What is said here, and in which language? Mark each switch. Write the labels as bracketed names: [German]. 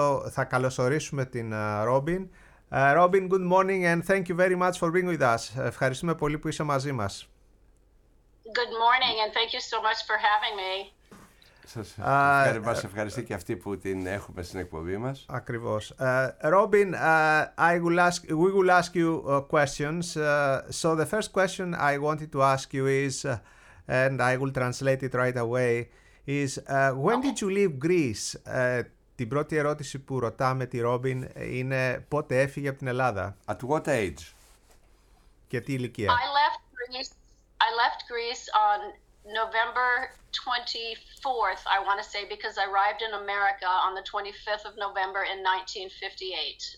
[Greek] Θα καλωσορίσουμε την Ρόμπιν. [English] Robin, good morning and thank you very much for being with us. [Greek] Ευχαριστούμε πολύ που είσαι μαζί μας. [English] Good morning and thank you so much for having me. [Greek] Σας ευχαριστώ, ευχαριστώ και αυτή που την έχουμε στην εκπομπή μας. [English] Ακριβώς. Robin, we will ask you questions. So the first question I wanted to ask you is, and I will translate it right away, is when did you leave Greece? [Greek] Την πρώτη ερώτηση που ρωτάμε τη Ρόμπιν είναι πότε έφυγε από την Ελλάδα. [English] At what age? [Greek] Και τι ηλικία. [English] I left Greece on November 24th, I want to say, because I arrived in America on the 25th of November in 1958.